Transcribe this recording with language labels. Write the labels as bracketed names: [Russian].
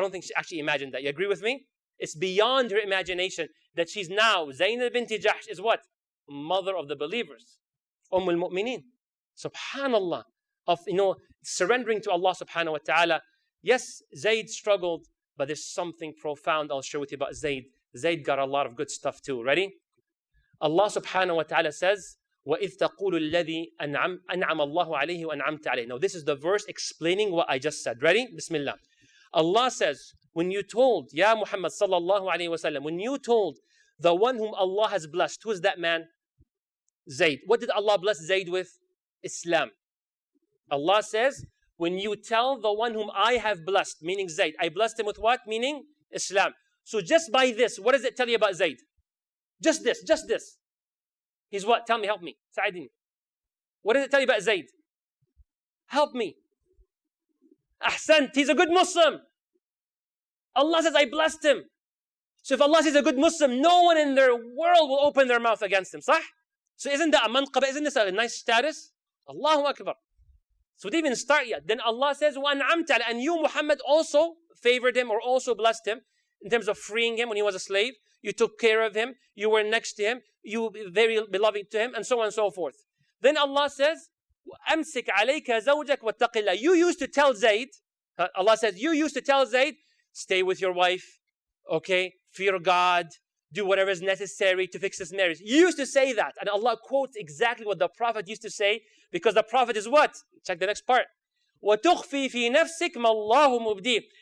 [English] I don't think she actually imagined that. You agree with me? It's beyond her imagination that she's now, Zainab binti Jahsh is what? Mother of the believers. Ummul Mu'mineen. SubhanAllah. Surrendering to Allah subhanahu wa ta'ala. Yes, Zayd struggled, but there's something profound I'll share with you about Zayd. Zayd got a lot of good stuff too. Ready? Allah subhanahu wa ta'ala says, [Arabic] وَإِذْ تَقُولُ الَّذِي أَنْعَمَ اللَّهُ عَلَيْهِ وَأَنْعَمْتَ عَلَيْهِ. [English] Now this is the verse explaining what I just said. Ready? Bismillah. Allah says, when you told, Ya Muhammad sallallahu alayhi wa sallam, when you told the one whom Allah has blessed, who is that man? Zayd. What did Allah bless Zayd with? Islam. Allah says, when you tell the one whom I have blessed, meaning Zayd, I blessed him with what? Meaning Islam. So just by this, what does it tell you about Zayd? Just this. He's what? Tell me, help me. Sa'idin. What does it tell you about Zayd? Help me. Ahsant, he's a good Muslim. Allah says, I blessed him. So if Allah says a good Muslim, no one in their world will open their mouth against him. Sah? So isn't that a manqaba? Isn't this a nice status? Allahu Akbar. So it didn't even start yet. Then Allah says, [Arabic] وَأَنْعَمْتَ عَلَىٰ. [English] And you, Muhammad, also favored him or also blessed him in terms of freeing him when he was a slave. You took care of him. You were next to him. You were very beloved to him, and so on and so forth. Then Allah says, [Arabic] أَمْسِكْ عَلَيْكَ زَوْجَكَ وَاتَّقِ اللَّهِ. [English] You used to tell Zayd, Allah says, you used to tell Zayd, stay with your wife, okay? Fear God. Do whatever is necessary to fix this marriage. You used to say that. And Allah quotes exactly what the Prophet used to say, because the Prophet is what? Check the next part. [Arabic] وَتُخْفِي فِي نَفْسِكْ مَا اللَّهُ مُبْدِيهِ.